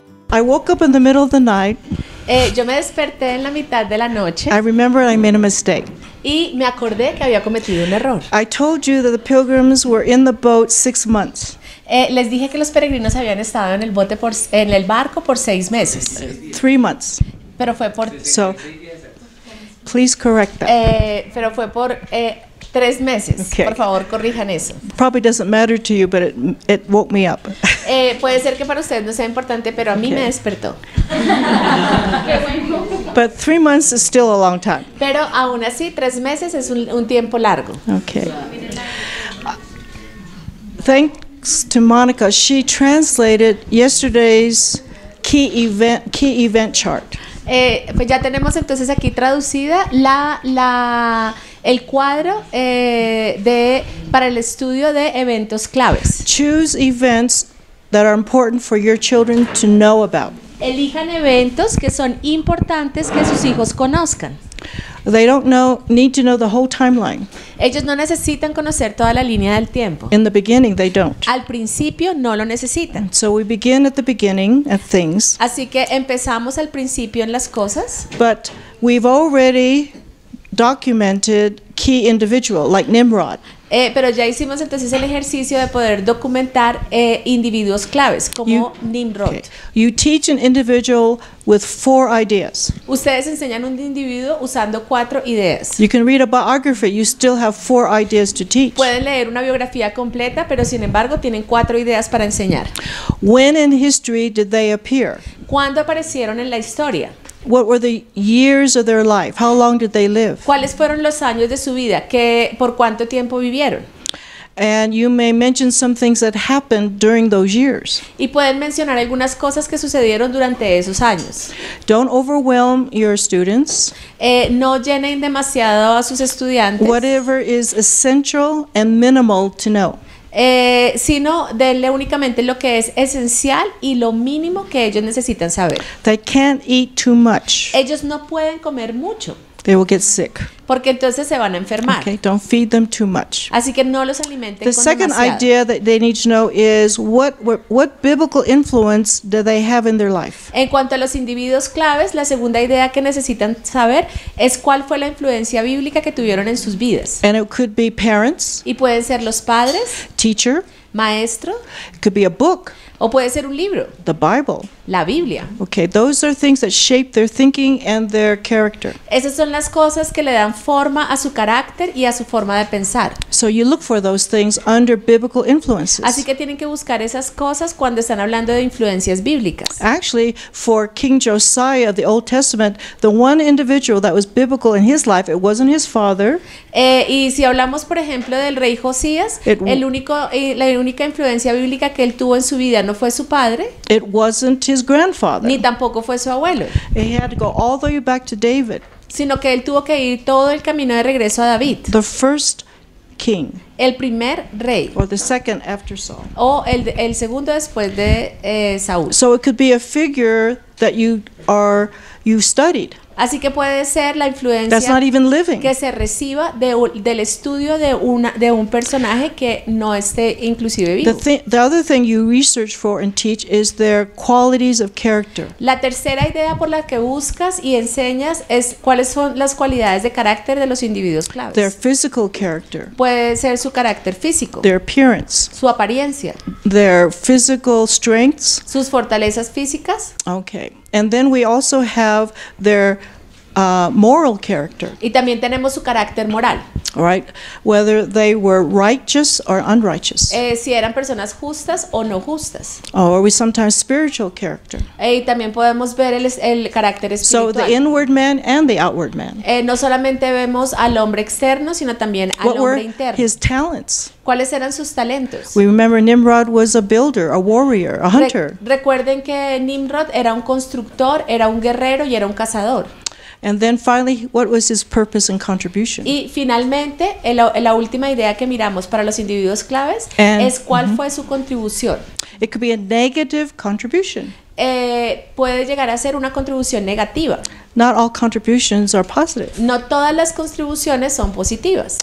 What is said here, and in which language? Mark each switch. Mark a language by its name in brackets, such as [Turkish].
[English] I woke up in the middle of the night. [Spanish] Yo me desperté en la mitad de la noche. [English] I remember I made a mistake. [Spanish] Y me acordé que había cometido un error. [English] I told you that the pilgrims were in the boat 6 months. [Spanish] Les dije que los peregrinos habían estado en el bote por en el barco por 6 meses. [English] 3 months. [Spanish] Pero fue por. [English] So, please correct that. [Spanish] Pero fue por 3 meses. Okay. Por favor, corrijan eso. [English] Probably doesn't matter to you, but it woke me up. [Spanish] Puede ser que para ustedes no sea importante, pero a mí me despertó. [English] But 3 months is still a long time. [Spanish] Pero aún así, 3 meses es un tiempo largo. [English] Okay. Thanks to Monica, she translated yesterday's key event chart. [Spanish] Pues ya tenemos entonces aquí traducida el cuadro para el estudio de eventos claves. [English] Choose events that are important for your children to know about. [Spanish] Elijan eventos que son importantes que sus hijos conozcan. [English] They don't need to know the whole timeline. [Spanish] Ellos no necesitan conocer toda la línea del tiempo. [English] In the beginning, they don't. [Spanish] Al principio no lo necesitan. [English] So we begin at the beginning at things. [Spanish] Así que empezamos al principio en las cosas. [English] But we've already documented key individual like Nimrod. [Spanish] Pero ya hicimos entonces el ejercicio de poder documentar individuos claves como Nimrod. [English] Okay. You teach an individual with 4 ideas. [Spanish] Ustedes enseñan un individuo usando 4 ideas. [English] You can read a biography, you still have 4 ideas to teach. [Spanish] Pueden leer una biografía completa, pero sin embargo tienen 4 ideas para enseñar. [English] When in history did they appear? [Spanish] ¿Cuándo aparecieron en la historia? [English] What were the years of their life? How long did they live? [Spanish] ¿Cuáles fueron los años de su vida? ¿Qué, por cuánto tiempo vivieron? [English] And you may mention some things that happened during those years. [Spanish] Y pueden mencionar algunas cosas que sucedieron durante esos años. [English] Don't overwhelm your students. [Spanish] No llenen demasiado a sus estudiantes. [English] Whatever is essential and minimal to know. [Spanish] Sino denle únicamente lo que es esencial y lo mínimo que ellos necesitan saber. [English] They can't eat too much. [Spanish] Ellos no pueden comer mucho. [English] They will get sick. [Spanish] Porque entonces se van a enfermar. [English] Okay, don't feed them too much. [Spanish] Así que no los alimenten [English] the second [Spanish] demasiado. [English] Idea that they need to know is what biblical influence do they have in their life? [Spanish] En cuanto a los individuos claves, la segunda idea que necesitan saber es cuál fue la influencia bíblica que tuvieron en sus vidas. [English] And it could be parents. [Spanish] Y pueden ser los padres. [English] Teacher. [Spanish] Maestro. [English] It could be a book. [Spanish] O puede ser un libro. [English] The Bible. [Spanish] La Biblia. [English] Okay, those are things that shape their thinking and their character. [Spanish] Esas son las cosas que le dan forma a su carácter y a su forma de pensar. [English] So you look for those things under biblical influences. [Spanish] Así que tienen que buscar esas cosas cuando están hablando de influencias bíblicas. [English] Actually, for King Josiah of the Old Testament, the one individual that was biblical in his life, it wasn't his father. [Spanish] Y si hablamos, por ejemplo, del rey Josías, la única influencia bíblica que él tuvo en su vida no fue su padre. [English] It wasn't his grandfather. [Spanish] Ni tampoco fue su abuelo. [English] He had to go all the way back to David. [Spanish] Sino que él tuvo que ir todo el camino de regreso a David. [English] The first king. [Spanish] El primer rey. [English] Or the second after Saul. [Spanish] O el segundo después de Saúl. [English] So it could be a figure that you studied. [Spanish] Así que puede ser la influencia [English] that's not even living. [Spanish] Que se reciba del estudio de un personaje que no esté inclusive vivo. [English] The other thing you research for and teach is their qualities of character. [Spanish] La tercera idea por la que buscas y enseñas es cuáles son las cualidades de carácter de los individuos claves. [English] Their physical character. [Spanish] Puede ser su carácter físico. [English] Their appearance. [Spanish] Su apariencia. [English] Their physical strengths. [Spanish] Sus fortalezas físicas. [English] Okay. And then we also have their moral character. [Spanish] Y también tenemos su carácter moral. [English] All right. Whether they were righteous or unrighteous. [Spanish] Si eran personas justas o no justas. [English] Oh, or we sometimes spiritual character. [Spanish] Y también podemos ver el carácter espiritual. [English] So the inward man and the outward man. [Spanish] No solamente vemos al hombre externo, sino también al [English] what [Spanish] hombre [English] were [Spanish] interno. [English] His talents. [Spanish] ¿Cuáles eran sus talentos? [English] We remember Nimrod was a builder, a warrior, a hunter. [Spanish] Recuerden que Nimrod era un constructor, era un guerrero y era un cazador. [English] And then finally, what was his purpose and contribution? [Spanish] Y finalmente, la última idea que miramos para los individuos claves es cuál fue su contribución. [English] It could be a negative contribution. [Spanish] puede llegar a ser una contribución negativa. [English] Not all contributions are positive. [Spanish] No todas las contribuciones son positivas.